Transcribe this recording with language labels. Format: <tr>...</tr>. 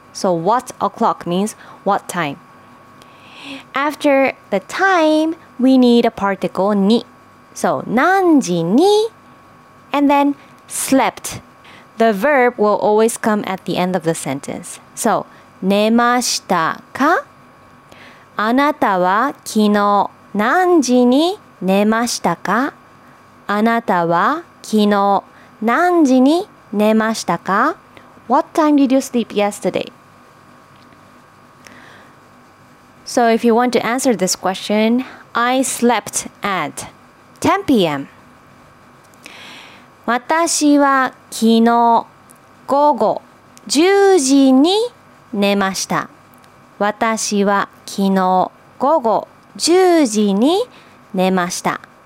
<en>So, what o'clock means what time. After the time, we need a particle ni. So,</en> <ja>nanji ni.</ja> <en>And then, slept. The verb will always come at the end of the sentence. So,</en> <ja>寝ましたか? あなたは昨日何時に寝ましたか? あなたは昨日何時に寝ましたか?</ja> <en>What time did you sleep yesterday? So, if you want to answer this question, I slept at 10 p.m.</en> <ja>私は昨日午後10時に寝ました。私は昨日午後10時に寝ました。</ja>